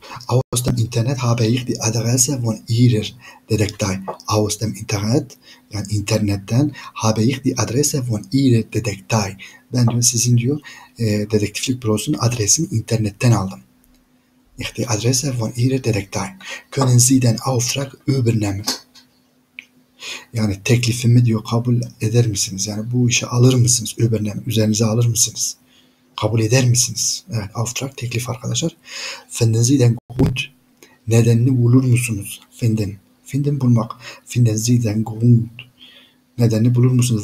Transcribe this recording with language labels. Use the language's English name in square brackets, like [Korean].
[German] Aus dem Internet habe ich die Adresse von ihrer Detektei. Aus dem Internet, [Turkish] yani internetten [German] habe ich die Adresse von ihrer Detektei. [Turkish] Ben diyor sizin diyor dedektiflik bürosunun adresini internetten aldım. [German] Ich die Adresse von ihrer Detektei. Können Sie den Auftrag übernehmen? [Turkish] Yani teklifimi diyor kabul eder misiniz? Yani bu işi alır mısınız? Übernehmen, üzerinize alır mısınız? Kabul eder misiniz? Evet, auftrag, teklif arkadaşlar. [German] Finden Sie den Grund? [Turkish] Nedenini bulur musunuz? Finden. Finden bulmak. [German] Finden Sie den Grund? [Turkish] Nedenini bulur musunuz?